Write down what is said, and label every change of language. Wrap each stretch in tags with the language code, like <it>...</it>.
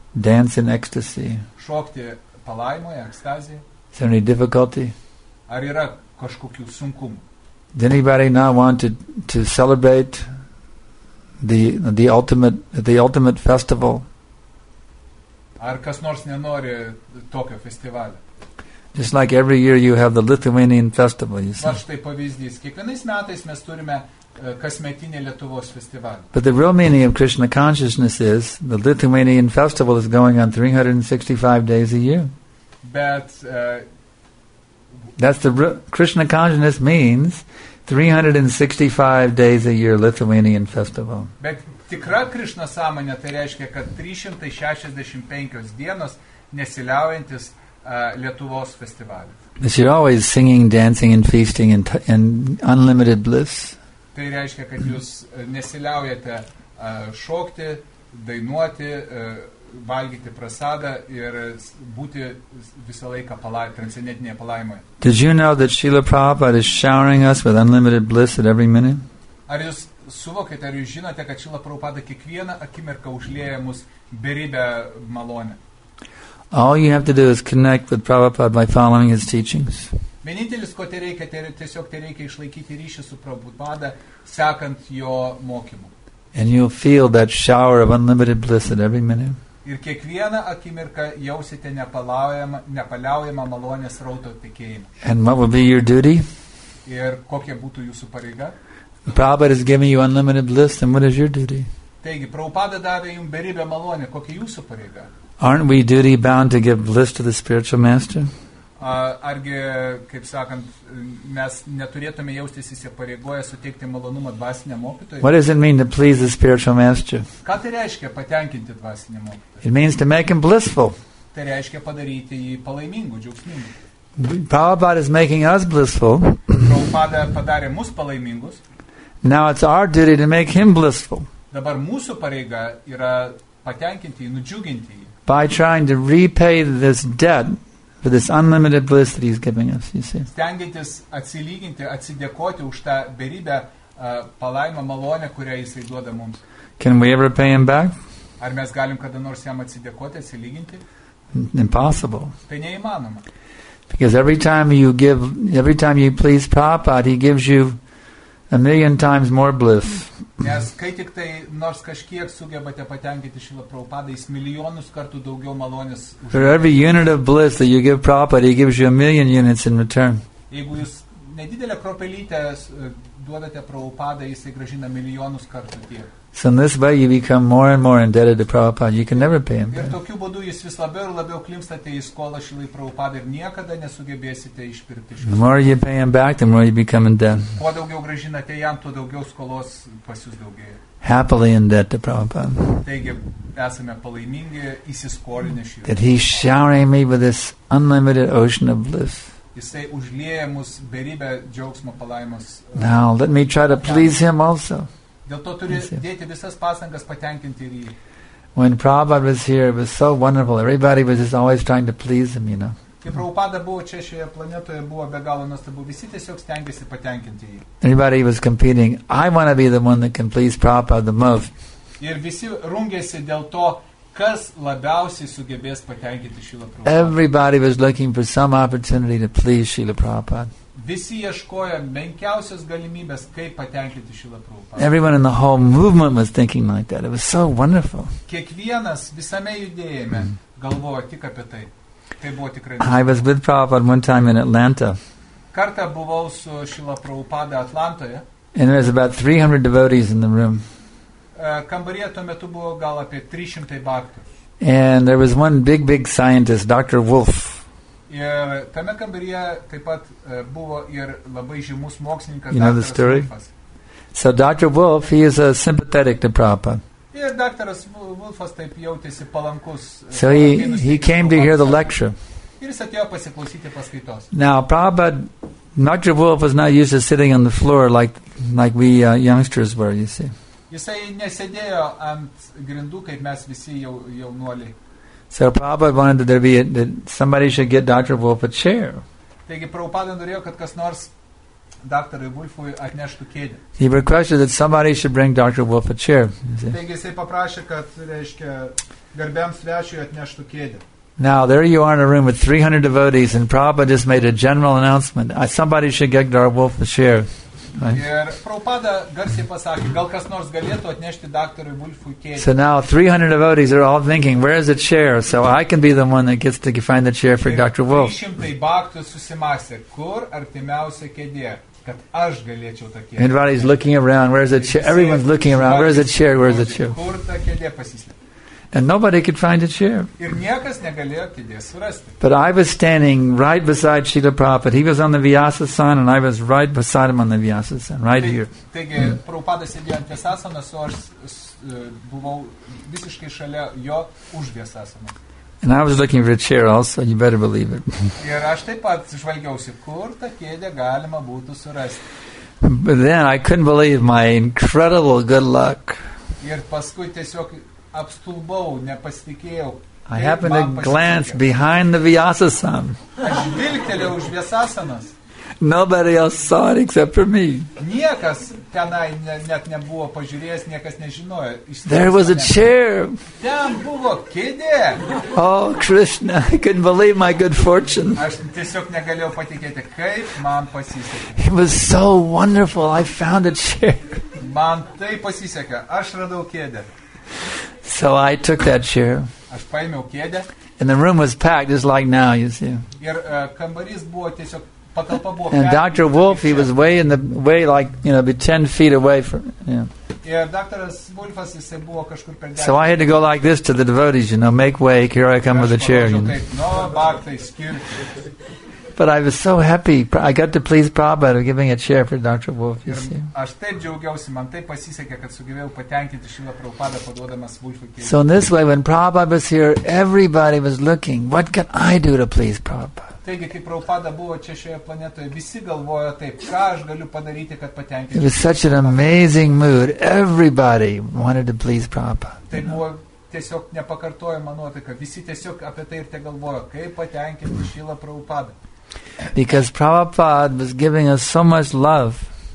<en>Dance in ecstasy.</en> <lt>Šokti palaimoje, ekstazijoje.</lt> <en>Is there any difficulty?</en> <lt>Ar yra kažkokių sunkumų?</lt> <en>Does anybody not want to celebrate the ultimate festival?</en> <lt>Ar kas nors nenori tokio festivalio?</lt> <en>Just like every year you have the Lithuanian festival, you see.</en> <lt>Va štai pavyzdys. Kiekvienais metais mes turime kasmetinį Lietuvos festivalį.</lt> <en>But the real meaning of Krishna consciousness is the Lithuanian festival is going on 365 days a year. But that's the Krishna consciousness means 365 days a year Lithuanian festival.</en> <lt>Bet tikra Krishna sąmonė tai reiškia, kad 365 dienos nesiliaujantis Lietuvos festivalis.</lt> <en>Is you're always singing, dancing and feasting and unlimited bliss.</en> <lt>Tai reiškia, kad jūs nesiliaujate šokti, dainuoti, valgyti prasadą ir būti visą laiką transcendentinėje palaimoje.</lt> <en>Did you know that Srila Prabhupada is showering us with unlimited bliss at every minute?</en> <lt>Ar jūs suvokite, ar jūs žinote, kad Srila Prabhupada kiekvieną akimirką užlėja mus beribę malonę?</lt> <en>All you have to do is connect with Prabhupada by following his teachings.</en> <lt>Vienintelis, ko te reikia, tiesiog te reikia išlaikyti ryšį su Prabhupada, sekant jo mokymu.</lt> <en>And you'll feel that shower of unlimited bliss at every minute.</en> <lt>Ir kiekvieną akimirką jausite nepaliaujamą malonės rauto tikėjimą.</lt> <en>And what would be your duty?</en> <lt>Ir kokia būtų jūsų pareiga?</lt> <en>Prabhupada is giving you unlimited bliss, and what is your duty?</en> <lt>Taigi, Prabhupada davė jums beribę malonę, kokia jūsų pareiga?</lt> <en>Aren't we duty bound to give bliss to the spiritual master?</en> <lt>Argi, kaip sakant, mes neturėtume jaustis įsipareigoję suteikti malonumą dvasiniam mokytojui.</lt> <en>What does it mean to please the spiritual master?</en> <lt>Ką tai reiškia patenkinti dvasinį mokytoją?</lt> <en>It means to make him blissful.</en> <lt>Tai reiškia padaryti jį palaimingu, džiaugsmingu.</lt> <en>Prabhupada is making us blissful.</en> <lt>Prabhupada padarė mus palaimingus.</lt> <en>Now it's our duty to make him blissful.</en> <lt>Dabar mūsų pareiga yra patenkinti jį, nudžiuginti jį.</lt> <en>By trying to repay this debt for this unlimited bliss that he's giving us, you see.</en> <lt>Stengiantis atsilyginti, atsidėkoti už tą beribę palaimą malonę, kurią jis duoda mums.</lt> <en>Can we ever pay him back?</en> <lt>Ar mes galim kada nors jam atsidėkoti, atsilyginti?</lt> <en>Impossible.</en> <lt>Tai neįmanoma.</lt> <en>Because every time you give, every time you please Prabhupada, he gives you a million times more bliss.</en> <lt>Nes kai tik tai nors kažkiek sugebate patenkinti Šrilą Prabhupadą, jis milijonus kartų daugiau malonės.</lt> <en>For every unit of bliss that you give Prabhupada, he gives you a million units in return.</en> <lt>Jeigu jūs nedidelę kropelytę duodate Prabhupadą, jisai gražina milijonus kartų tiek.</lt> <en>So in this way you become more and more indebted to Prabhupada. You can never pay him.</en> <lt>Ir tokiu būdu jūs vis labiau ir labiau klimpstate į skolą Šrilai Prabhupadai ir niekada nesugebėsite išpirkti.</lt> <en>The more you pay him back, the more you become indebted.</en> <lt>Kuo daugiau grąžinate jam, tuo daugiau skolos pas jūs daugėja.</lt> <en>Happily indebted to Prabhupada.</en> <lt>Taigi, esame palaimingi įsiskolinę Šrilai.</lt> <en>That he's showering me with this unlimited ocean of bliss.</en> <lt>Jisai užlieja mus beribę džiaugsmo palaimos.</lt> <en>Now, let me try to please him also.</en> <lt>Dėl to turi dėti visas pastangas patenkinti ir jį.</lt> <en>When Prabhupada was here, it was so wonderful. Everybody was just always trying to please him, you know.</en> <lt>Kai Prabhupada buvo čia šioje planetoje, buvo be galo nuostabu. Visi tiesiog stengiasi patenkinti jį.</lt> <en>Everybody was competing. I want to be the one that can please Prabhupada the most.</en> <lt>Ir visi rungėsi dėl to, kas labiausiai sugebės patenkinti Šrilą Prabhupada.</lt> <en>Everybody was looking for some opportunity to please Srila Prabhupada.</en> <lt>Visi ieškojo menkiausios galimybės, kaip patenkinti Šrilą Prabhupadą.</lt> <en>Everyone in the whole movement was thinking like that. It was so wonderful.</en> <lt>Kiekvienas visame judėjime galvojo tik apie tai. Tai buvo tikrai.</lt> <en>I was with Prabhupada one time in Atlanta.</en> <lt>Kartą buvau su Šrila Prabhupada Atlantoje.</lt> <en>And there was about 300 devotees in the room.</en> <lt>Kambaryje tuo metu buvo gal apie 300 bhaktų.</lt> <en>And there was one big, big scientist, Dr. Wolf.</en> <lt>Ir tame kambaryje taip pat buvo ir labai žymus mokslininkas.</lt> <en>You know the story? Wolfas. So Dr. Wolf, he is a sympathetic to Prabhupada.</en> <lt>Ir daktaras Wolfas taip jautėsi palankus.</lt> <en>So he came to hear the lecture.</en> <lt>Ir jis atėjo pasiklausyti paskaitos.</lt> <en>Now Prabhupada, Dr. Wolf was not used to sitting on the floor like we youngsters were, you see.</en> <lt>Jisai nesėdėjo ant grindų, kaip mes visi jaunuoliai.</lt> <en>So Prabhupada wanted that there be that somebody should get Dr. Wolf a chair.</en> <lt>Taigi Prabhupada norėjo, kad kas nors daktarui Wolfui atneštų kėdę.</lt> <en>He requested that somebody should bring Dr. Wolf a chair.</en> <lt>Taigi jisai paprašė, kad reiškia garbiam svečiui atneštų kėdę.</lt> <en>Now there you are in a room with 300 devotees and Prabhupada just made a general announcement. Somebody should get Dr. Wolf a chair.</en> <lt>Ir Prabhupada garsiai pasakė, gal kas nors galėtų atnešti daktarui Wolfui kėdę.</lt> <en>So now 300 devotees are all thinking, where is the chair? So I can be the one that gets to find the chair for Dr. Wolf.</en> <lt>300 bhaktų susimąstė, kur artimiausia kėdė, kad aš galėčiau tą kėdę.</lt> <en>Everybody's looking around, where is the chair? Everyone's looking around, where is the chair? Where is the chair?</en> <lt>Kur ta kėdė pasislėpė?</lt> <en>And nobody could find a chair.</en> <lt>Ir niekas negalėjo kėdės surasti.</lt> <en>But I was standing right beside Srila Prabhupada. He was on the Vyasasana and I was right beside him on the Vyasasana, right here.</en> <lt>Taigi, Prabhupada sėdėjo ant Vyasasanos, o aš buvau visiškai šalia jo už Vyasasanos.</lt> <en>And I was looking for a chair also, you better believe it.</en> <lt>Ir aš taip pat žvalgiausi, kur tą kėdę galima būtų surasti.</lt> <en>But then I couldn't believe my incredible good luck.</en> <lt>Ir paskui tiesiog apstulbau, nepasitikėjau.</lt> <en>I happened to glance behind the Vyasasana.</en> <lt>Aš žvilgtelėjau už Vyasasanas.</lt> <en>Nobody else saw it except for me.</en> <lt>Niekas tenai net nebuvo pažiūrėjęs, niekas nežinojo.</lt> <en>There was a chair.</en> <lt>Ten buvo kėdė.</lt> <en>Oh, Krishna, I couldn't believe my good fortune.</en> <lt>Aš tiesiog negalėjau patikėti, kaip man pasisekė.</lt> <en>It was so wonderful, I found a chair.</en> <lt>Man taip pasisekė, aš radau kėdę.</lt> <en>So I took that chair.</en> <lt>Aš paėmiau kėdę.</lt> <en>And the room was packed, just like now, you see.</en> <lt>Ir kambarys buvo tiesiog patalpa buvo.</lt> <en>And Dr. Wolf, he was way in the way, like you know, be 10 feet away from. Yeah.</en> <lt>Ir daktaras Wolfas jisai buvo kažkur per.</lt> <en>So I had to go like this to the devotees, you know, make way, here I come with a chair.</en> <lt>No, bhaktai, skirti.</lt> <en>But I was so happy. I got to please Prabhupada giving a chair for Dr. Wolf, you see.</en> <lt>Aš taip džiaugiausi, man taip pasisekė, kad sugebėjau patenkinti Šrilą Prabhupadą paduodamas Wolfui kėdę.</lt> <en>So in this way, when Prabhupada was here, everybody was looking, what can I do to please Prabhupada?</en> <lt>Taigi, kai Prabhupada buvo čia šioje planetoje, visi galvojo taip, ką aš galiu padaryti, kad patenkinti.</lt> <en>It was such an amazing mood. Everybody wanted to please Prabhupada.</en> <lt>Tai buvo tiesiog nepakartojama nuotaika. Visi tiesiog apie tai ir te galvojo, kaip patenkinti Šrilą Prabhupadą.</lt> <en>Because Prabhupada was giving us so much love.</en>